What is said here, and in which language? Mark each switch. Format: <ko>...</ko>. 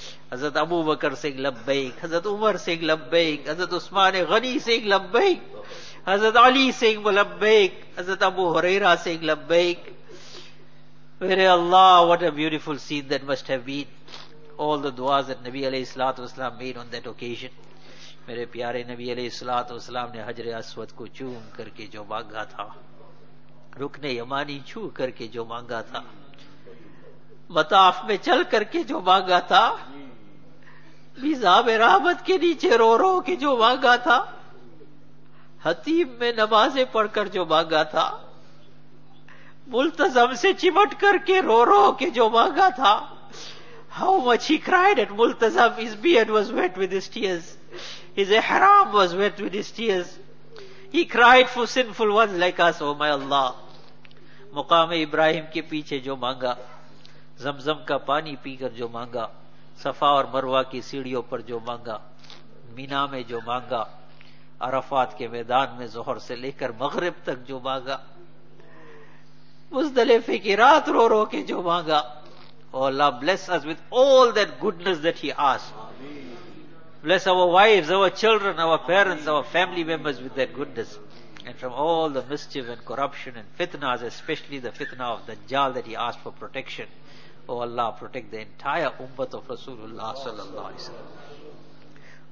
<en>Hazrat Abu Bakr saying labbaik, Hazrat Umar saying labbaik, Hazrat Usman Ghani saying labbaik, Hazrat Ali saying labbaik, Hazrat Abu Huraira saying labbaik.</en> <ur>Mere Allah,</ur> <en>what a beautiful scene that must have been. All the duas that Nabi alayhi salatu wasalam made on that occasion.</en> <ur>Mere pyare Nabi alayhi salatu wasalam ne Hajr Aswad ko choom karke jo maanga tha, rukne Yamani choo karke jo maanga tha, مطاف میں چل کر کے جو مانگا تھا, میزاب رحمت کے نیچے رو رو کے جو مانگا تھا, حتیم میں نمازیں پڑھ کر جو مانگا تھا, ملتزم سے چمٹ کر کے رو رو کے جو مانگا تھا.</ur> <en>How much he cried at Multazam, his beard was wet with his tears, his ihram was wet with his tears, he cried for sinful ones like us. Oh my Allah,</en> <ur>مقام ابراہیم کے پیچھے جو مانگا, زمزم کا پانی پی کر جو مانگا, صفا اور مروہ کی سیڑھیوں پر جو مانگا, مینا میں جو مانگا, عرفات کے میدان میں ظہر سے لے کر مغرب تک جو مانگا, مزدلفے کی رات رو رو کے جو مانگا.</ur> <en>Oh Allah, bless us with all that goodness that he asked. Bless our wives, our children, our parents, our family members with that goodness. And from all the mischief and corruption and fitnas, especially the fitna of Dajjal, that he asked for protection. Oh Allah, protect the entire ummat of Rasulullah sallallahu alaihi wasallam.</en>